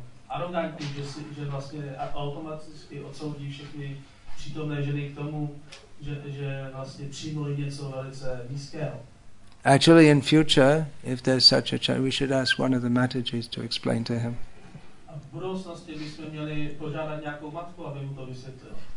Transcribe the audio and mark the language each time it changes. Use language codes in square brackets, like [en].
[cs] Arrogantní, že vlastně automaticky odsoudí všechny přítomné ženy k tomu, že vlastně přijmuli něco velice nízkého. [en] Actually, in future, if there's such a chance, we should ask one of the Matajis to explain to him. [cs] A v budoucnosti bychom měli požádat nějakou matku, aby mu to vysvětlil.